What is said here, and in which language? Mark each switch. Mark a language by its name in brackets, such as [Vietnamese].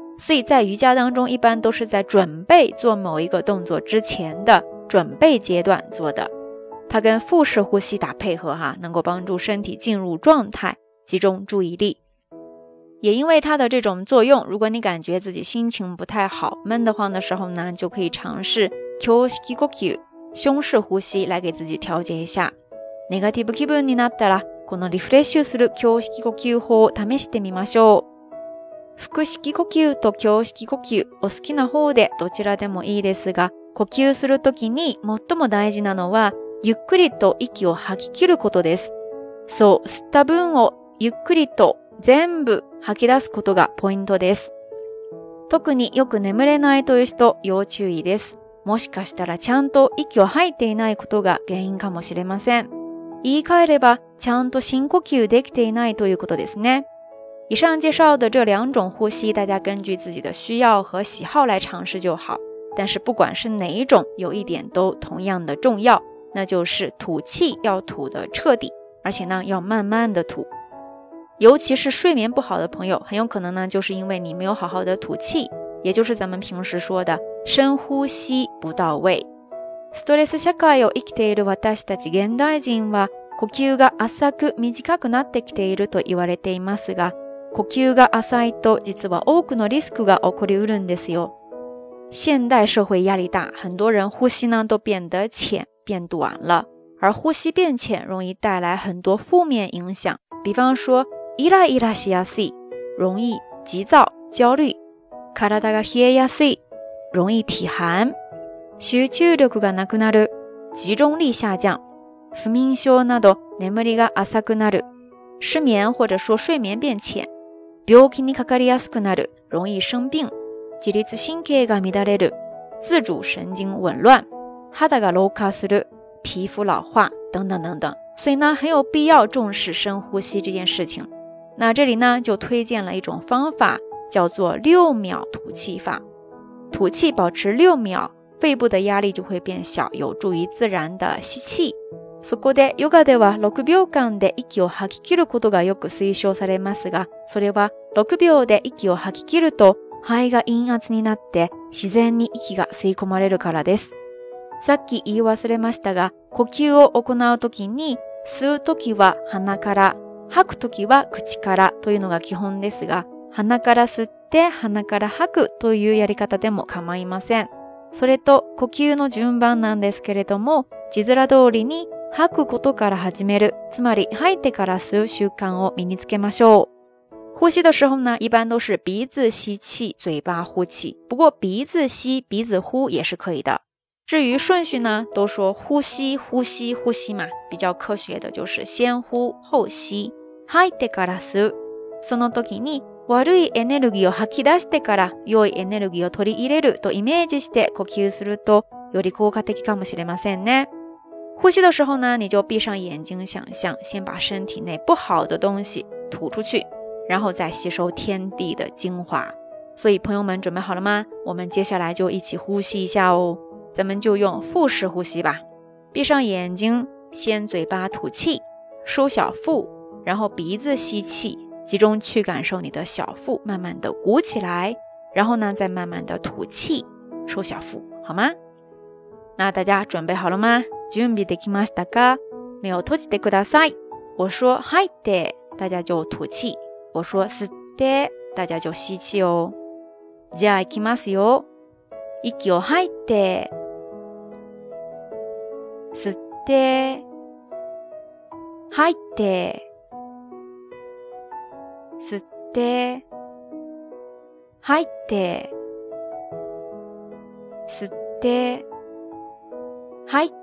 [Chinese] 所以在瑜伽当中一般都是在准备做某一个动作之前的准备阶段做的，它跟腹式呼吸打配合哈，能够帮助身体进入状态，集中注意力。也因为它的这种作用，如果你感觉自己心情不太好闷得慌的时候呢，就可以尝试胸式呼吸，胸式呼吸来给自己调节一下。 [Japanese] ネガティブ気分になったら、このリフレッシュする胸式呼吸法を試してみましょう。腹式呼吸と胸式呼吸、お好きな方でどちらでもいいですが、呼吸するときに最も大事なのは、ゆっくりと息を吐き切ることです。そう、吸った分をゆっくりと全部吐き出すことがポイントです。特によく眠れないという人、要注意です。もしかしたらちゃんと息を吐いていないことが原因かもしれません。言い換えれば、ちゃんと深呼吸できていないということですね。 [Chinese] 以上介绍的这两种呼吸，大家根据自己的需要和喜好来尝试就好。但是不管是哪一种，有一点都同样的重要，那就是吐气要吐得彻底，而且呢，要慢慢的吐。尤其是睡眠不好的朋友，很有可能呢，就是因为你没有好好的吐气，也就是咱们平时说的深呼吸不到位。 [Japanese] ストレス社会を生きている私たち現代人は、呼吸が浅く短くなってきていると言われていますが、呼吸が浅いと実は多くのリスクが起こりうるんですよ。 [Chinese] 现代社会压力大，很多人呼吸呢都变得浅变短了，而呼吸变浅容易带来很多负面影响，比方说 [Japanese] イライラしやすい， [Chinese] 容易急躁焦虑， [Japanese] 体が冷えやすい， [Chinese] 容易体寒， [Japanese] 集中力がなくなる， [Chinese] 集中力下降， [Japanese] 不眠症など眠りが浅くなる， [Chinese] 失眠或者说睡眠变浅。 [Japanese] 病気にかかりやすくなる， [Chinese] 容易生病。 [Japanese] 自律神経が乱れる， [Chinese] 自主神经紊乱。 [Japanese] 肌が老化する， [Chinese] 皮肤老化等等等等。所以呢，很有必要重视深呼吸这件事情。那这里呢，就推荐了一种方法，叫做六秒吐气法。吐气保持六秒，肺部的压力就会变小，有助于自然的吸气。 [Japanese] そこでヨガでは6秒間で息を吐き切ることがよく推奨されますが、それは6秒で息を吐き切ると肺が陰圧になって自然に息が吸い込まれるからです。さっき言い忘れましたが、呼吸を行うときに吸うときは鼻から、吐くときは口からというのが基本ですが、鼻から吸って鼻から吐くというやり方でも構いません。それと呼吸の順番なんですけれども、字面通りに吐くことから始める，つまり吐いてから吸う習慣を身につけましょう。 [Chinese] 呼吸的时候呢，一般都是鼻子吸气，嘴巴呼气。不过鼻子吸，鼻子呼也是可以的。至于顺序呢，都说呼吸，呼吸，呼吸嘛，比较科学的就是先呼后吸。 [Japanese] 吐いてから吸う。その時に悪いエネルギーを吐き出してから良いエネルギーを取り入れるとイメージして呼吸するとより効果的かもしれませんね。 [Chinese] 呼吸的时候呢，你就闭上眼睛，想象先把身体内不好的东西吐出去，然后再吸收天地的精华。所以朋友们准备好了吗？我们接下来就一起呼吸一下哦。咱们就用腹式呼吸吧。闭上眼睛，先嘴巴吐气，收小腹，然后鼻子吸气，集中去感受你的小腹慢慢的鼓起来，然后呢再慢慢的吐气，收小腹，好吗？那大家准备好了吗？ [Japanese] 準備できましたか？目を閉じてください。 [Chinese] 我说 [Japanese] 吐いて、 [Chinese] 大家就吐气。我说 [Japanese] 吸って、 [Chinese] 大家就吸气哦。 [Japanese] じゃあ行きますよ。息を吐いて、吸って、吐いて、吸って、吐いて、吸って、吐いて。